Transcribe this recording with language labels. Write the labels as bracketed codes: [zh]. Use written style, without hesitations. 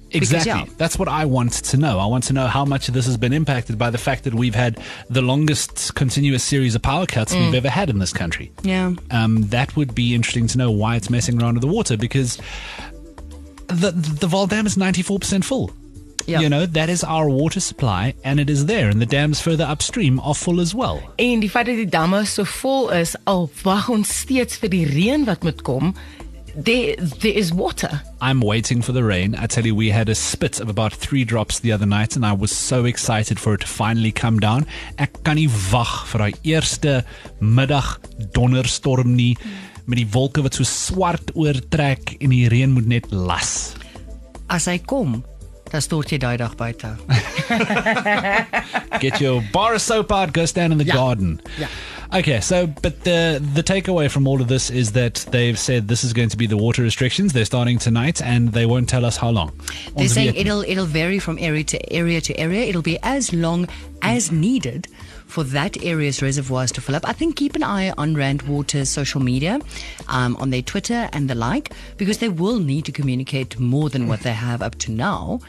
[en] Because, yeah. That's what I want to know. I want to know how much of this has been impacted by the fact that we've had the longest continuous series of power cuts we've ever had in this country. Yeah. That would be interesting to know why it's messing around with the water, because the Vaal Dam is 94% full. Yeah. You know, that is our water supply, and it is there, and the dams further upstream are full as well. [af] En die feit dat die damme so vol is, al wag ons steeds vir die reën wat moet kom. [en] There is water. I'm waiting for the rain. I tell you, we had a spit of about 3 drops the other night, and I was so excited for it to finally come down. [af] Ek kan nie wag vir die eerste middag donderstorm nie, met die wolke wat so swart oortrek en die reën moet net las. As hy kom, dan stort jy die dag buiten. [en] Get your bar of soap out, go stand in the garden. Yeah. Okay, so, but the takeaway from all of this is that they've said this is going to be the water restrictions. They're starting tonight, and they won't tell us how long. They're saying it'll vary from area to area. It'll be as long as needed for that area's reservoirs to fill up. I think keep an eye on Rand Water's social media, on their Twitter and the like, because they will need to communicate more than what they have up to now.